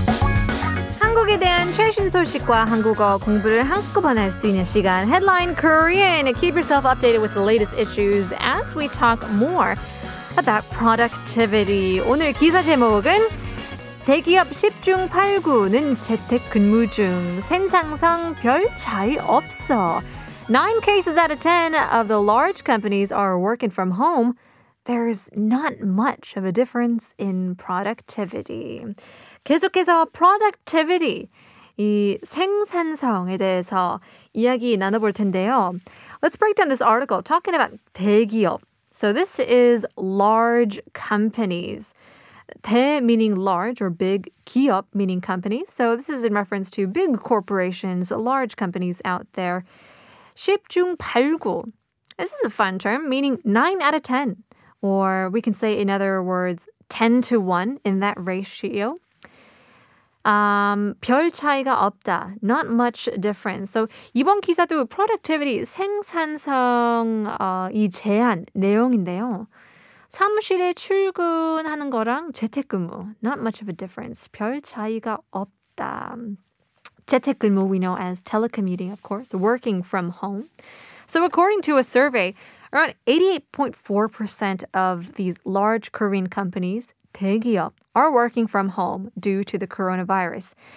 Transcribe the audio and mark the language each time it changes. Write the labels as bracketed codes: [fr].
[ko] 소식과 한국어 공부를 한꺼번에 할 수 있는 시간 Headline Korean. [en] Keep yourself updated with the latest issues as we talk more about productivity. [ko] 오늘 기사 제목은 대기업 10중 8구는 재택근무 중 생산성 별 차이 없어 [en] 9 cases out of 10 of the large companies are working from home. There's not much of a difference in productivity. [ko] 계속해서 productivity, 이 생산성에 대해서 이야기 나눠볼 텐데요. [en] Let's break down this article talking about 대기업. So this is large companies. 대 meaning large or big, 기업 meaning company. So this is in reference to big corporations, large companies out there. [ko] 10중 8구. [en] This is a fun term, meaning 9 out of 10. Or we can say, in other words, 10 to 1 in that ratio. [ko] 별 차이가 없다. [en] Not much difference. [ko] So 이번 기사도 productivity, 생산성 이 제한 내용인데요. 사무실에 출근하는 거랑 재택근무. [en] Not much of a difference. [ko] 별 차이가 없다. [en] 재택근무, we know as telecommuting, of course, working from home. So according to a survey, around 88.4% of these large Korean companies, 대기업, are working from home due to the coronavirus.